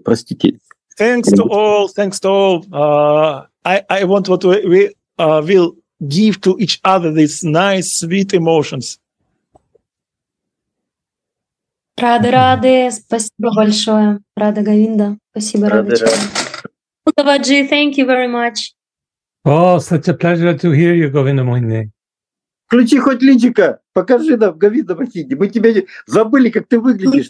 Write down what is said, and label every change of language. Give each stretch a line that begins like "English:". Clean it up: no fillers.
Russian: Простите.
English: Thanks to all. I want what we will give to each other these nice, sweet emotions.
Russian: Рады-рады, спасибо большое. Рада Говинда, спасибо, Рады-Чан.
English: Удаваджи, thank you very much. Oh, such a pleasure to hear you, Govinda Mohini.
Russian: Включи хоть личика, покажи нам, Говинда Мохини. Мы тебя забыли, как ты выглядишь.